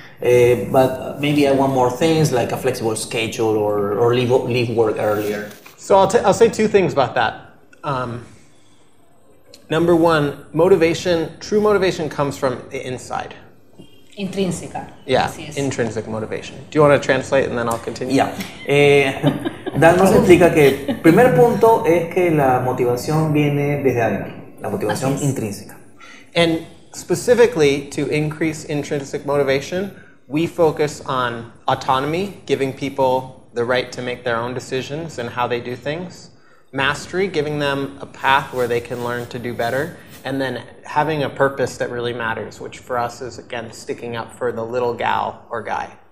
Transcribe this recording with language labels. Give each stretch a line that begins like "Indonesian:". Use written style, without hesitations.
English: Yeah. But maybe I want more things like a flexible schedule or leave work earlier. So I'll say two things about that. Number one, motivation, true motivation comes from the inside.
Spanish: Intrínseca.
English: Yeah, intrinsic motivation. Do you want to translate and then I'll continue? Yeah.
Spanish: Dan nos explica que primer punto es que la motivación viene desde adentro. La motivación intrínseca.
English: And specifically to increase intrinsic motivation, we focus on autonomy, giving people the right to make their own decisions and how they do things. Mastery, giving them a path where they can learn to do better. And then having a purpose that really matters, which for us is, again, sticking up for the little gal or guy.